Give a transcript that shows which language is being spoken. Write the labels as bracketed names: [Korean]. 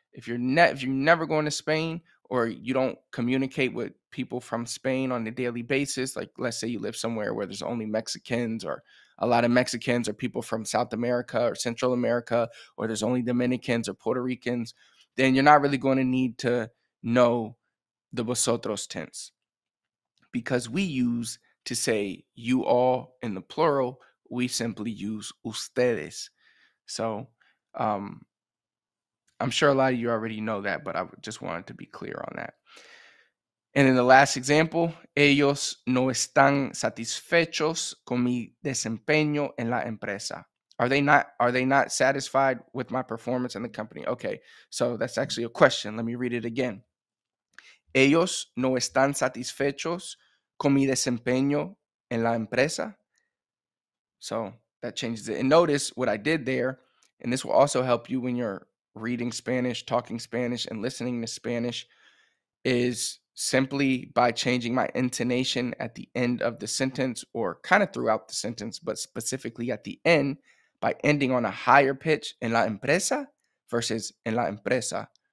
[English] If you're never going to Spain or you don't communicate with people from Spain on a daily basis, like let's say you live somewhere where there's only Mexicans or a lot of Mexicans or people from South America or Central America, or there's only Dominicans or Puerto Ricans, then you're not really going to need to know the vosotros tense because we use to say you all in the plural, we simply use ustedes. So, I'm sure a lot of you already know that, but I just wanted to be clear on that. And in the last example, [Spanish] ellos no están satisfechos con mi desempeño en la empresa. [English] Are they not satisfied with my performance in the company? Okay, so that's actually a question. Let me read it again. [Spanish] Ellos no están satisfechos con mi desempeño en la empresa. [English] So that changes it. And notice what I did there, and this will also help you when you're reading Spanish, talking Spanish, and listening to Spanish is simply by changing my intonation at the end of the sentence or kind of throughout the sentence, but specifically at the end by ending on a higher pitch in la empresa versus en la empresa.